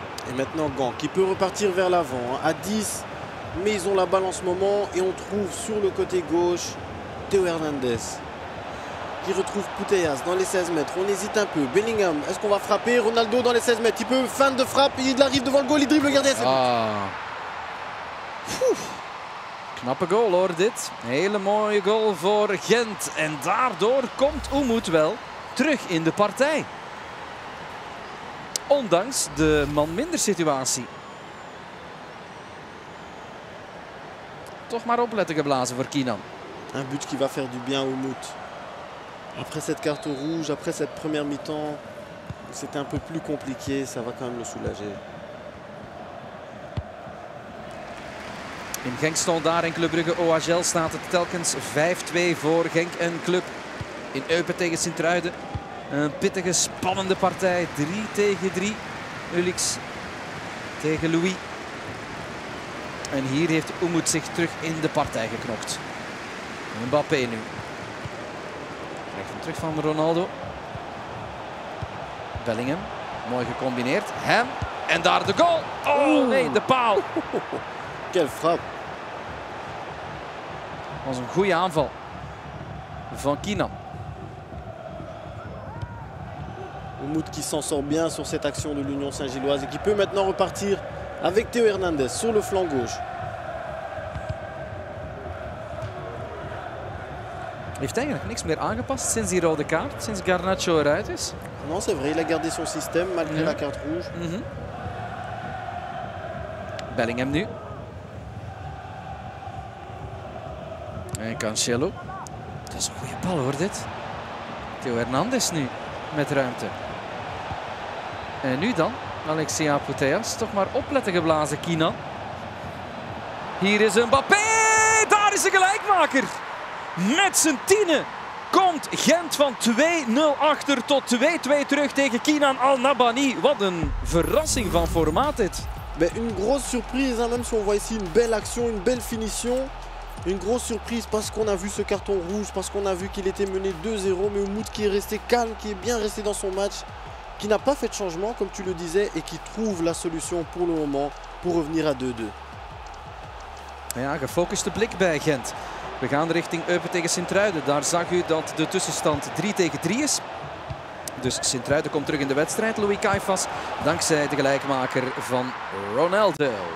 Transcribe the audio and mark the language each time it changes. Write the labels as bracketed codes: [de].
[fr] En maintenant Gant, qui peut repartir vers l'avant. À 10, mais ils ont la balle en ce moment. Et on trouve sur le côté gauche Théo Hernandez. Qui retrouve Puteas dans les 16 mètres. On hésite un peu. Bellingham, est-ce qu'on va frapper? Ronaldo dans les 16 mètres. Il peut fin de frappe. Il arrive devant le goal. Il dribble le gardien. Ah. [nl] Knappe goal hoor dit. Hele mooie goal voor Gent. En daardoor komt Umut wel terug in de partij. Ondanks de man minder situatie. Toch maar opletten geblazen voor Kinan. [fr] Un but qui va faire du bien au Umut. Après cette carte rouge, après cette première mi-temps, c'était un peu plus compliqué, ça va quand même le soulager. [nl] In Genk stond daar in Club Brugge OHL staat het telkens 5-2 voor Genk en Club in Eupen tegen Sint-Truiden. Een pittige, spannende partij. 3 tegen 3. Ulix tegen Louis. En hier heeft Umut zich terug in de partij geknokt. Mbappé nu. Krijgt hem terug van Ronaldo. Bellingham. Mooi gecombineerd. Hem. En daar de goal. Oh nee, de paal. [fr] Quel frappe. [nl] Was een goede aanval van Kinan. [fr] Umut qui s'en sort bien sur cette action de l'Union Saint-Gilloise et qui peut maintenant repartir avec Théo Hernandez sur le flanc gauche. [nl] Heeft hij eigenlijk niks meer aangepast sinds die rode kaart, sinds Garnacho eruit is? [fr] Non, c'est vrai, il a gardé son système malgré la carte rouge. [nl] Bellingham nu. En Cancelo. Dat is een goede bal hoor dit. Théo Hernandez nu met ruimte. En nu dan, Alexia Puteas, toch maar opletten geblazen, Kinan. Hier is Mbappé, daar is de gelijkmaker. Met zijn tienen komt Gent van 2-0 achter tot 2-2 terug tegen Kinan Al-Nabani. Wat een verrassing van formaat dit. Een grote surprise, [fr] même si on voit ici une belle action, une belle finition. [nl] Een grote surprise, [fr] parce qu'on a vu ce carton rouge, parce qu'on a vu qu'il était mené 2-0, mais Umut qui est resté calme, qui est bien resté dans son match. Qui n'a pas fait de changement, comme tu le disais, et qui trouve la solution pour le moment pour revenir à 2-2. [nl] Ja, gefocuste blik bij Gent. We gaan richting Eupen tegen Sint-Truiden. Daar zag u dat de tussenstand 3 tegen 3 is. Dus Sint-Truiden komt terug in de wedstrijd, Louis Caiffas, dankzij de gelijkmaker van Ronaldo.